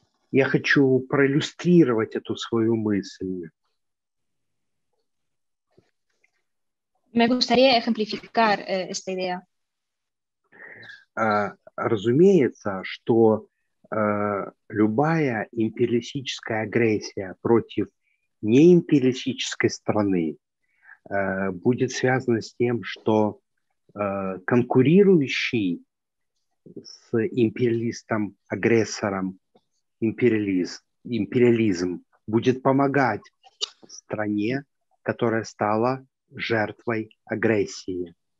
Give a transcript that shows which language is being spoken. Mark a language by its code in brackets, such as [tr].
[ru] Я хочу проиллюстрировать эту свою мысль. [es] Me gustaría ejemplificar esta idea. [ru] Разумеется, что любая империалистическая агрессия против неимпериалистической страны будет связана с тем, что конкурирующий с империалистом-агрессором империализм будет помогать стране, которая стала жертвой агрессии.